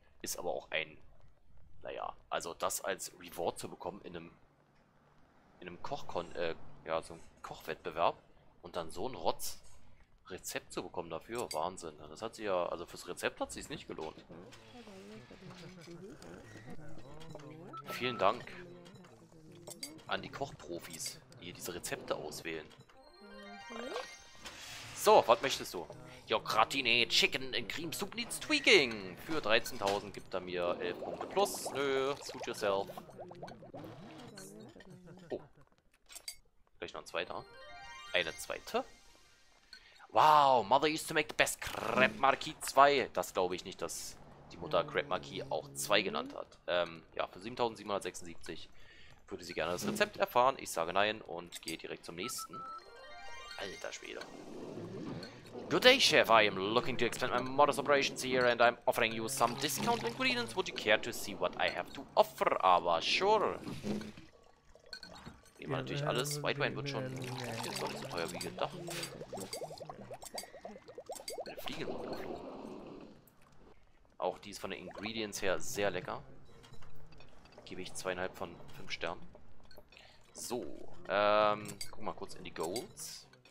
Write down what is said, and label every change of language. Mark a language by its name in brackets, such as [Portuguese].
[German] Ist aber auch ein, naja, also das als Reward zu bekommen in einem Kochkon, ja, so einem Kochwettbewerb und dann so ein Rotz-Rezept zu bekommen dafür, Wahnsinn. Das hat sich ja, also fürs Rezept hat sich's nicht gelohnt. Vielen Dank an die Kochprofis, die hier diese Rezepte auswählen. Naja. So, was möchtest du? [English] Your Gratiné Chicken and Cream Soup needs tweaking. [German] Für 13.000 gibt er mir 11 Punkte plus. Nö, [English] suit yourself. [German] Oh. Gleich noch ein zweiter. Eine zweite. [English] Wow, Mother used to make the best Crepe Marquis 2. [German] Das glaube ich nicht, dass die Mutter Crepe Marquis auch 2 genannt hat. Ja, für 7.776 würde sie gerne das Rezept erfahren. Ich sage nein und gehe direkt zum nächsten. Alter Schwede. [English] Good day, Chef. I am looking to expand my modest operations here and I'm offering you some discount ingredients. Would you care to see what I have to offer? [German] Aber sure. Nehmen wir natürlich alles. White Wine wird schon nicht so teuer wie gedacht. Eine Fliege wird geflogen. Auch die ist von den Ingredients her sehr lecker. Gebe ich 2,5 von 5 Sternen. So. Guck mal kurz in die Goals.